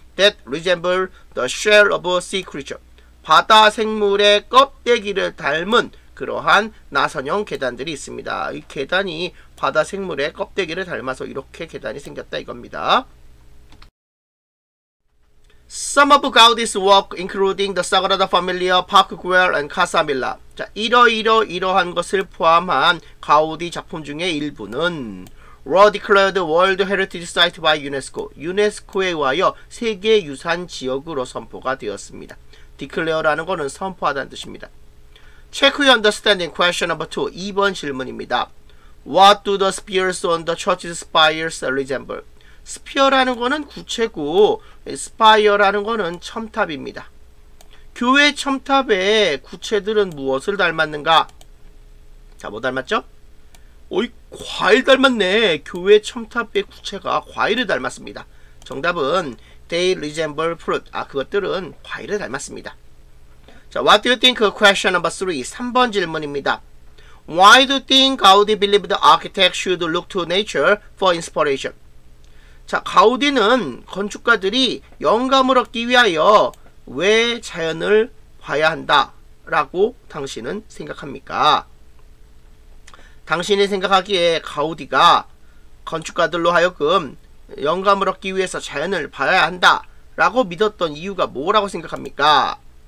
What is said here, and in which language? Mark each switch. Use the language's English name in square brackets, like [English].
[English] that resemble the shell of a sea creature. [Korean] 바다 생물의 껍데기를 닮은 그러한 나선형 계단들이 있습니다. 이 계단이 바다 생물의 껍데기를 닮아서 이렇게 계단이 생겼다 이겁니다. [English] Some of Gaudi's work, including the Sagrada Familia, Park Güell, and Casa Milla. [Korean] 자, 이러한 것을 포함한 가우디 작품 중에 일부는 [English] were declared World Heritage Site by UNESCO. [Korean] UNESCO에 의하여 세계 유산 지역으로 선포가 되었습니다. declare라는 것은 선포하다는 뜻입니다. [English] Check your understanding. Question number 2. [Korean] 2번 질문입니다. [English] What do the spears on the church's spires resemble? [Korean] 스피어라는 거는 구체고 스파이어라는 거는 첨탑입니다. 교회 첨탑의 구체들은 무엇을 닮았는가? 자, 뭐 닮았죠? 오이, 과일 닮았네. 교회 첨탑의 구체가 과일을 닮았습니다. 정답은 [English] they resemble fruit. [Korean] 아, 그것들은 과일을 닮았습니다. [English] 자, what do you think? Question number 3. [Korean] 3번 질문입니다. [English] Why do you think Gaudi believed the architect should look to nature for inspiration? [Korean] 자, 가우디는 건축가들이 영감을 얻기 위하여 왜 자연을 봐야 한다라고 당신은 생각합니까? 당신이 생각하기에 가우디가 건축가들로 하여금 영감을 얻기 위해서 자연을 봐야 한다라고 믿었던 이유가 뭐라고 생각합니까?